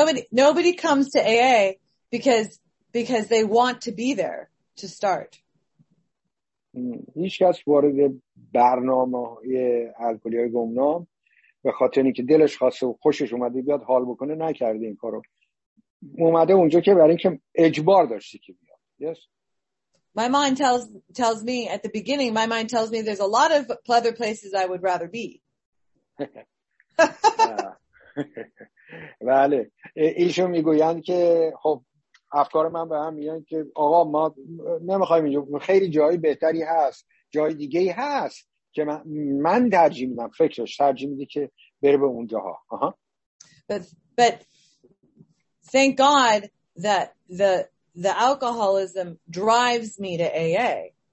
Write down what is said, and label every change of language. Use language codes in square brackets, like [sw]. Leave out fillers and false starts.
[en] Nobody comes to AA because they want to be there to start. [fa] هیچ کس وارد برنامه های الکلی های گمنام به خاطر اینکه دلش خواسته و خوشش اومده بیاد حال بکنه نکرده این کارو. اومده اونجا که برای اینکه اجبار داشتی که بیاد. [en] Yes. My mind tells me at the beginning, my mind tells me there's a lot of pleather places I would rather be. [fa] بله. ایشون میگویند که خب افکار من به هم میگن که آقا ما نمیخوایم اینجا، خیلی جای بهتری هست، جای دیگه هست که من ترجیح میدم، فکرش ترجیح میده که بره به اونجاها. [en] But thank God that the alcoholism drives me to AA.